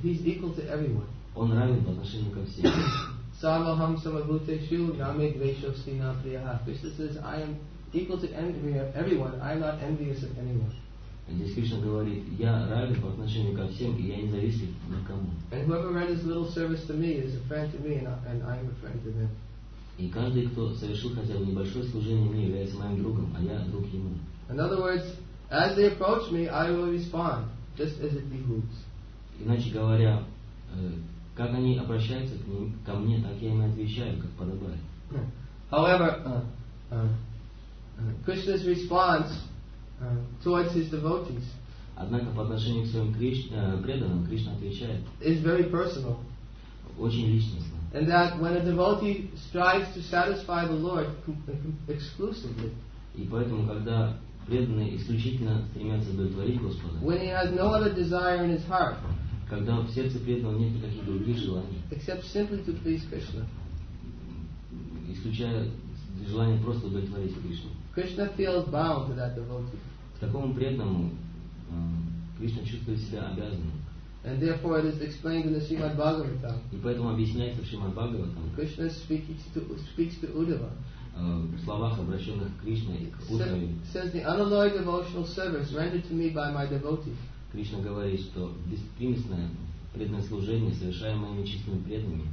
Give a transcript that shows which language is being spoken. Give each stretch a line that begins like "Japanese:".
English: He's equal to everyone.
Russian: Он равен по отношению ко всем.
Sanskrit: Sarvaham samabhuteshu name dveshasti na priyaha.
English: Krishna says, I am equal to everyone. I am not envious of anyone.
Russian: И здесь Кришна говорит, я равен по отношению ко всем, и я не завистлив ни к кому.
English: And whoever renders little service to me is a friend to me, and I am a friend to them.
Russian: И каждый, кто совершил хотя бы небольшое служение мне, является моим другом, а я друг ему.
English: In other words, as they approach me, I will respond, just as it behooves.
Russian: Иначе говоря, как они обращаются к ним, ко мне, так я им отвечаю, как подобает.
English: However, Krishna's response towards his devotees.
Russian: Однако по отношению к своим преданным Кришна отвечает.
English: It's very personal.
Russian: Очень личностно.
English: And that when a devotee strives to satisfy the Lord exclusively.
Russian: И поэтому, когда преданные исключительно стремятся удовлетворить Господа.
English: When he has no other desire in his heart.
Russian: Когда в сердце преданного нет никаких других желаний.
English: Except simply to please Krishna.
Russian: Исключая желание просто удовлетворить Кришну.
English: Krishna feels bound to that devotee.
Russian: К такому преданному Кришна чувствует себя обязанным.
English: And therefore it is explained in the Srimad Bhagavatam.
Russian: И поэтому объясняется в Шримад Бхагаватам.
English: Krishna speaks to Uddhava.
Russian: В словах, обращенных к Кришне, к Удхаве.
English: Says the unalloyed devotional service rendered to me by my devotee.
Russian: Кришна говорит, что беспримесное преданное служение, совершаемое моими чистыми преданными.